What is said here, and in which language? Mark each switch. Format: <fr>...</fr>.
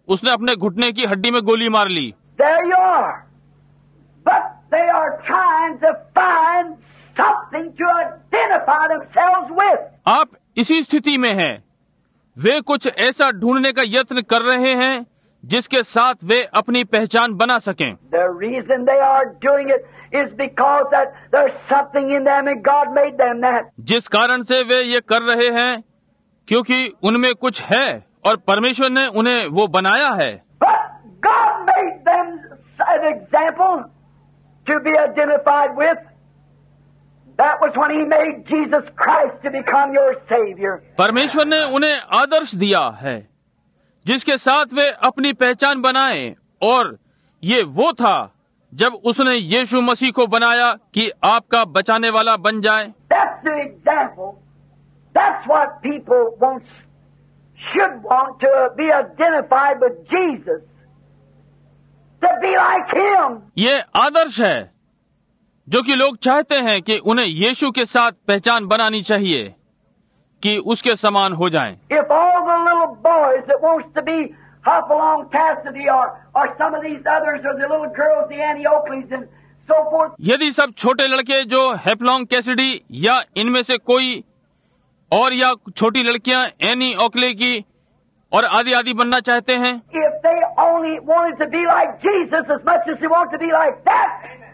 <hi>उसने अपने घुटने की हड्डी में गोली मार ली।</hi> <en>There you are. But they are trying to find something to identify themselves with.</en> <hi>आप इसी स्थिति में हैं। वे कुछ ऐसा ढूंढने का यत्न कर रहे हैं जिसके साथ वे अपनी पहचान बना सकें।</hi> <en>The reason they are doing it is because that there's something in them and God made them that.</en> <hi>जिस कारण से वे ये कर रहे हैं क्योंकि उनमें कुछ है और परमेश्वर ने उन्हें वो बनाया है।</hi> <en>But God made them an example to be identified with. That was when he made Jesus Christ to become your savior.</en> <hi>परमेश्वर ने उन्हें आदर्श दिया है जिसके साथ वे अपनी पहचान बनाए और ये वो था जब उसने यीशु मसीह को बनाया कि आपका बचाने वाला बन जाए।</hi> <en>That's the example. That's what people should want to be identified with Jesus. To be like him.</en> <hi>ये आदर्श है जो कि लोग चाहते हैं कि उन्हें यीशु के साथ पहचान बनानी चाहिए कि उसके समान हो जाएं।</hi> <en>If all the little boys that wants to be Hopalong Cassidy or some of these others or the little girls, the Annie Oakleys and so forth.</en> <hi>यदि सब छोटे लड़के जो हेपलॉन्ग कैसिडी या इनमें से कोई और या छोटी लड़कियां एनी ओकले की और आदि आदि बनना चाहते हैं।</hi> <en>If they only wanted to be like Jesus as much as they want to be like that.</en>